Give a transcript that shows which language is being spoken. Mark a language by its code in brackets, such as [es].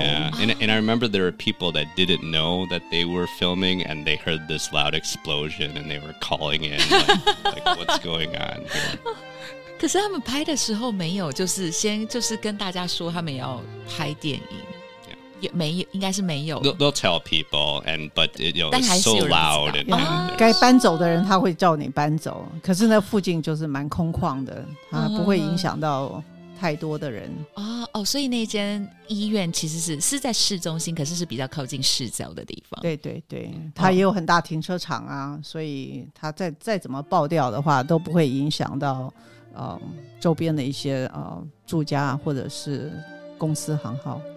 [en] Yeah, and I remember there were people that didn't know that they were filming and they heard this loud explosion and they were calling in like what's going on here? [zh] 可是他们拍的时候没有就是先就是跟大家说他们要拍电影也没有，应该是没有。 [en] They'll tell people, and but it, you know, it's so loud. And, yeah. [zh] 该搬走的人他会叫你搬走，可是那附近就是蛮空旷的，他不会影响到太多的人。哦，所以那间医院其实 是在市中心，可是是比较靠近市郊的地方。对对对，它也有很大停车场啊，所以它 再怎么爆掉的话，都不会影响到周边的一些住家或者是公司行号。